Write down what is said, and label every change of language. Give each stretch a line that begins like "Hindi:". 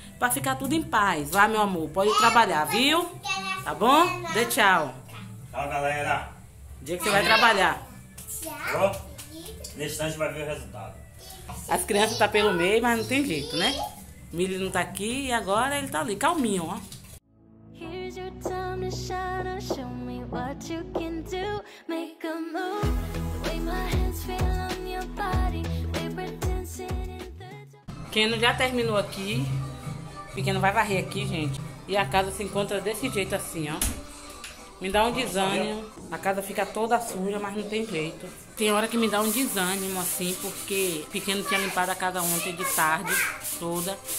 Portuguese: Pra ficar tudo em paz. Vai, meu amor. Pode trabalhar, viu? Tá bom? Dê tchau. Tchau, galera. Dia que você vai trabalhar. Tchau. Neste instante vai ver o resultado. As crianças tá pelo meio, mas não tem jeito, né? O Milho não tá aqui e agora ele tá ali, calminho, ó.
English: Here's your time to shine, show me what you can do. Make a move, the way my hands feel on your body. We're dancing in the dark.
Portuguese: Keno já terminou aqui. Pequeno vai varrer aqui, gente. E a casa se encontra desse jeito assim, ó. Me dá um desânimo. A casa fica toda suja, mas não tem jeito. Tem hora que me dá um desânimo, assim, porque o pequeno tinha limpado a casa ontem de tarde, toda.